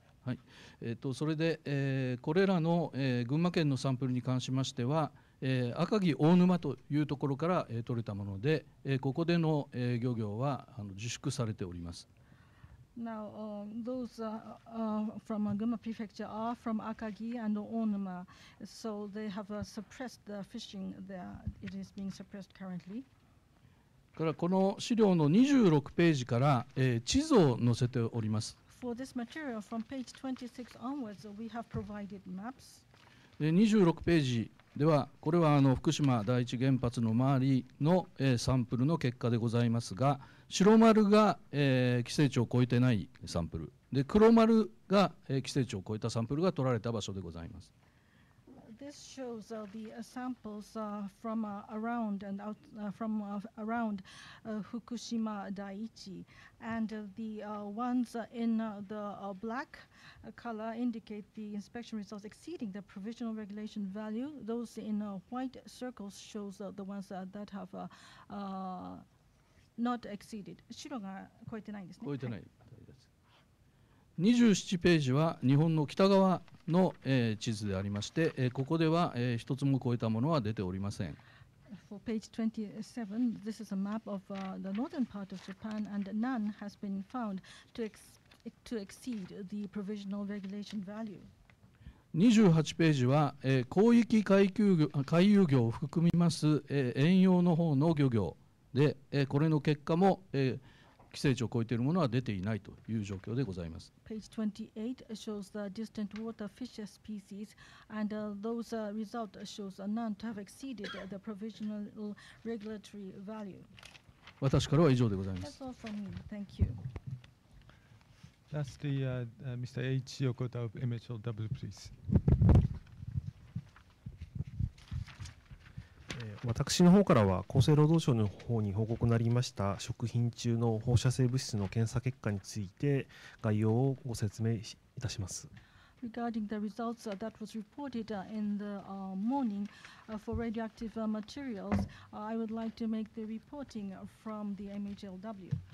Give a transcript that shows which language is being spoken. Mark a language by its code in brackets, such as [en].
[ja] はい、それで、これらの、群馬県のサンプルに関しましては、赤城大沼というところから、取れたもので、ここでの、漁業は自粛されております。 [en] Now, those from Gunma Prefecture are from Akagi and Onuma, so they have suppressed the fishing there. It is being suppressed currently. [ja] からこの資料の26ページから、地図を載せております。 [en] For this material, from page 26 onwards, we have provided maps. [ja] 26ページでは、これは福島第一原発の周りの、サンプルの結果でございますが、白丸が、規制値を超えてないサンプルで、黒丸が、規制値を超えたサンプルが取られた場所でございます。 [en] This shows the samples from around and out from around Fukushima Daiichi, and the ones in the black color indicate the inspection results exceeding the provisional regulation value. Those in white circles shows the ones that have not exceeded. [ja] 白が超えてないんですね。超えてない。 27ページは日本の北側の、地図でありまして、ここでは、一つも超えたものは出ておりません。 [en] For page 27, this is a map of the northern part of Japan, and none has been found to exceed the provisional regulation value. [ja] 28ページは、広域海遊業を含みます、遠洋の方の漁業で、これの結果も、規制値を超えているものは出ていないという状況でございます。 [en] Page 28 shows the distant water fish species and those result shows none to have exceeded the provisional regulatory value. [ja] 私からは以上でございます。 [en] That's all from me. Thank you. Lastly, Mr. H. Yokota of MHLW, please. [ja] 私の方からは厚生労働省の方に報告になりました食品中の放射性物質の検査結果について概要をご説明いたします。 [en] Regarding the results that was reported in the morning for radioactive materials, I would like to make the reporting from the MHLW.